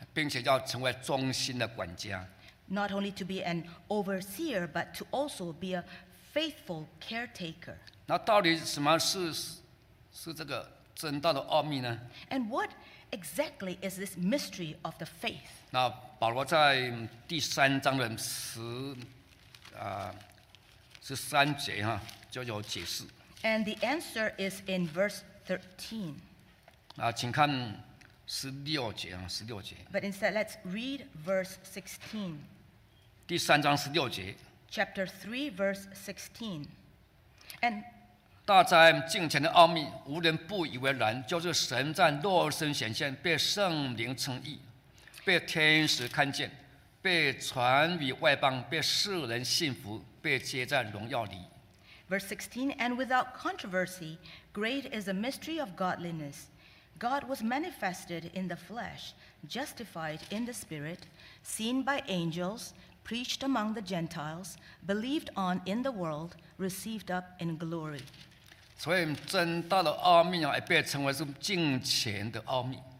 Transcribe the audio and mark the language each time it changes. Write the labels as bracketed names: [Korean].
[Chinese] 并且要成为忠心的管家 [English] ，not only to be an overseer but to also be a faithful caretaker。 [Chinese] 那到底什么是这个真道的奥秘呢 [English] ？And what exactly is this mystery of the faith？ [Chinese] 那保罗在第三章的是三节就有解释。 [English] And the answer is in verse 13. [Chinese] 请看十六节十六节。 [English] But instead, let's read verse 16. [Chinese] 第三章十六节。 [English] Chapter 3, verse 16. And [Chinese] 大灾近前的奥秘，无人不以为然，就是神在肉身显现，被圣灵称义，被天使看见。被传与外邦，被世人信服，被接在荣耀里。 [English] Verse 16, and without controversy, great is the mystery of godliness. God was manifested in the flesh, justified in the spirit, seen by angels, preached among the Gentiles, believed on in the world, received up in glory. [Chinese] 所以真道的奥秘也被称为是近前的奥秘。